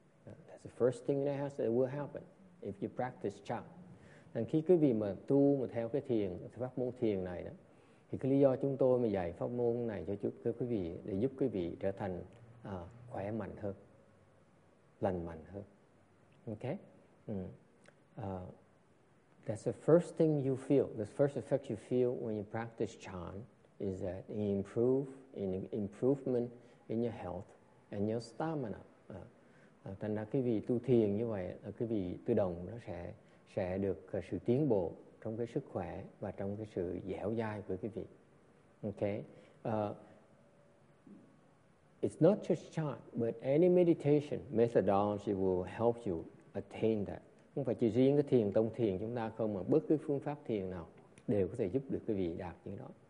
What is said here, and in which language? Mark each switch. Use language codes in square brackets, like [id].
[en] That's the first thing that has that will happen if you practice chan. [vi] And khi quý vị mà tu mà theo cái thiền pháp môn thiền này đó, thì cái lý do chúng tôi mà dạy pháp môn này cho quý vị để giúp quý vị trở thành khỏe mạnh hơn, lành mạnh hơn. [en] Okay. That's the first thing you feel. The first effect you feel when you practice chan is that improvement in your health and your stamina. [vi] Thành ra cái vị tu thiền như vậy, cái vị tự động nó sẽ được sự tiến bộ trong cái sức khỏe và trong cái sự dẻo dai của cái vị. [en] Okay. It's not just chan, but any meditation methodology will help you attain that. [vi] Không phải chỉ riêng cái thiền tông thiền chúng ta không, mà bất cứ phương pháp thiền nào đều có thể giúp được quý vị đạt những đó.